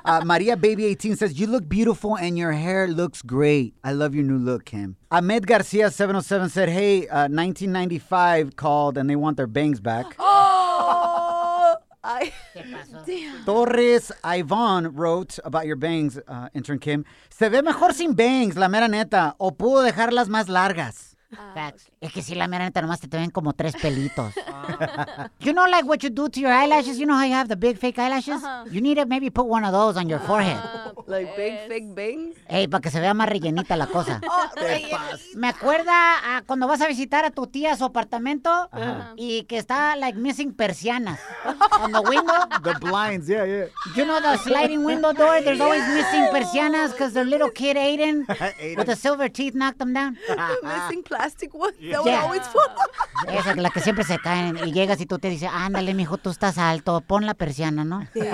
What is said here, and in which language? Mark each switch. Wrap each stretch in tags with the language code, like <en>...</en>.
<en>Maria Baby 18 says, you look beautiful and your hair looks great. I love your new look, Kim. Ahmed Garcia 707 said, hey, 1995 called and they want their bangs back. Torres Ivan wrote about your bangs, intern Kim.</en> <es>Se ve mejor sin bangs, la mera neta. O pudo dejarlas más largas.</es> <en>Facts. Okay.</en> <es>Es que si la mera neta nomás te ven como tres pelitos.</es> <en>You know, like what you do to your eyelashes? You know how you have the big fake eyelashes? Uh-huh. You need to maybe put one of those on your forehead. Like big fake bangs?</en> <es>Hey, para que se vea más rellenita la cosa. Rellenita. Me acuerda a cuando vas a visitar a tu tía a su apartamento y que está</es> <en>like missing</en> <es>persianas</es> <en>on the window. The blinds, yeah, yeah. You know the sliding window door? There's always missing persianas because their little kid Aiden with the silver teeth knocked them down. Missing plastic one that would always fall.</en> <es>Esa, la que siempre se caen y llegas y tú te dices, ándale, mijo, tú estás alto, pon la persiana, ¿no?</es>